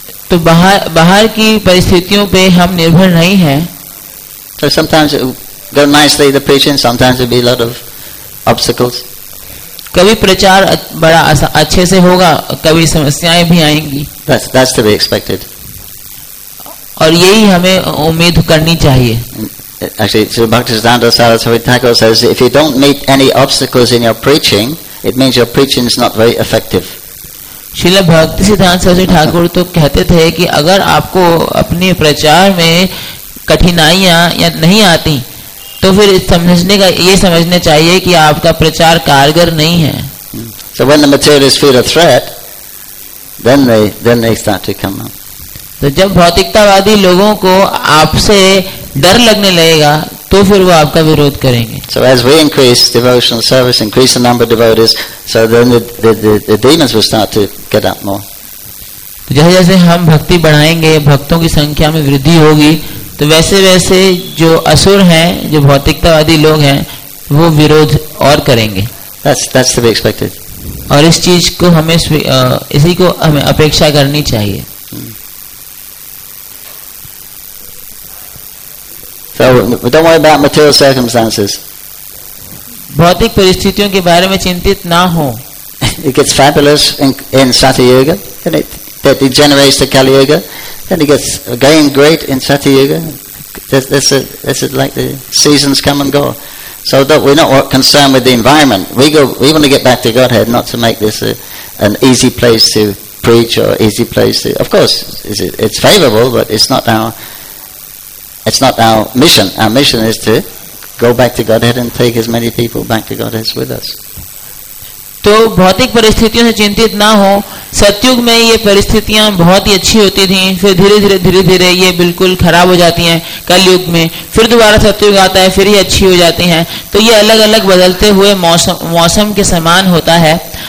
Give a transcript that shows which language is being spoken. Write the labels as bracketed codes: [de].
[hi] तो बाहर की परिस्थितियों पे हम निर्भर नहीं हैं. [en] So sometimes it go nicely the patient, sometimes there'll be a lot of obstacles. [hi] कभी प्रचार बड़ा अच्छे से होगा, कभी समस्याएं भी आएंगी. [en] That's to be expected. [hi] और यही हमें उम्मीद करनी चाहिए. [en] Actually, Bhaktisiddhanta Saraswati Thakur says, if you don't meet any obstacles in your preaching, it means your preaching is not very effective. [hi] Srila भक्तिसिद्धांत Saraswati Thakur तो कहते थे कि अगर आपको अपने प्रचार में कठिनाइयां या नहीं आती तो फिर ये समझने चाहिए कि आपका प्रचार कारगर नहीं है. [en] So when the materialists feel a threat, then they start to come up. [hi] तो जब भौतिकतावादी लोगों को आपसे डर लगने लगेगा तो फिर वो आपका विरोध करेंगे. [en] So as we increase devotional service, increase the number of devotees, so then the demons will start to get up more. [hi] जैसे जैसे हम भक्ति बढ़ाएंगे, भक्तों की संख्या में वृद्धि होगी, तो वैसे वैसे जो असुर हैं, जो भौतिकतावादी लोग हैं, वो विरोध और करेंगे. [en] That's to be expected. [hi] और इस चीज को हमें इसी को हमें अपेक्षा करनी चाहिए. [en] So don't worry about material circumstances. [hi] भौतिक परिस्थितियों के बारे में चिंतित ना हो. [en] It gets fabulous in Satya Yuga, and it degenerates to Kali Yuga, and it gets again great in Satya Yuga. That's like the seasons come and go. So that we're not concerned with the environment. We want to get back to Godhead, not to make this an easy place to preach or easy place to. Of course, it's favorable, but it's not our. It's not our mission. Our mission is to go back to Godhead and take as many people back to Godhead with us. [hi] तो भौतिक परिस्थितियों से चिंतित ना हो. सत्युग में ये परिस्थितियाँ बहुत ही अच्छी होती थीं, फिर धीरे धीरे ये बिल्कुल खराब हो जाती हैं कलयुग में, फिर दोबारा सत्युग आता है, फिर ये अच्छी हो जाती हैं. तो ये अलग अलग बदलते हुए मौसम के समान होता है.